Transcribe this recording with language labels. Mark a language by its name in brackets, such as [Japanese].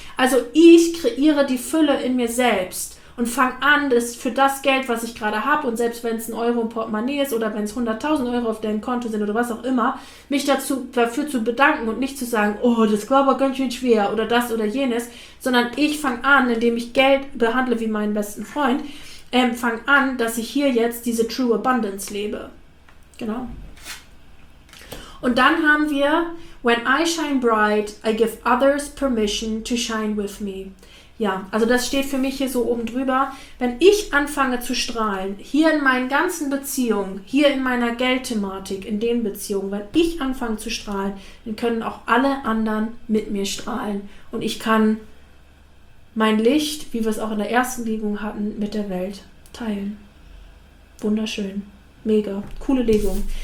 [German] Also ich kreiere die Fülle in mir selbst. Und fang an, das für das Geld, was ich gerade habe, und selbst wenn es ein Euro im Portemonnaie ist oder wenn es 100.000 Euro auf deinem Konto sind oder was auch immer, mich dafür zu bedanken und nicht zu sagen, oh, das war aber ganz schön schwer oder das oder jenes, sondern ich fang an, indem ich Geld behandle wie meinen besten Freund, fang an, dass ich hier jetzt diese True Abundance lebe. Genau. Und dann haben wir, [English] When I shine bright, I give others permission to shine with me. [German] Ja, also das steht für mich hier so oben drüber. Wenn ich anfange zu strahlen, hier in meinen ganzen Beziehungen, hier in meiner Geldthematik, in den Beziehungen, wenn ich anfange zu strahlen, dann können auch alle anderen mit mir strahlen. Und ich kann mein Licht, wie wir es auch in der ersten Legung hatten, mit der Welt teilen. Wunderschön. Mega. Coole Legung.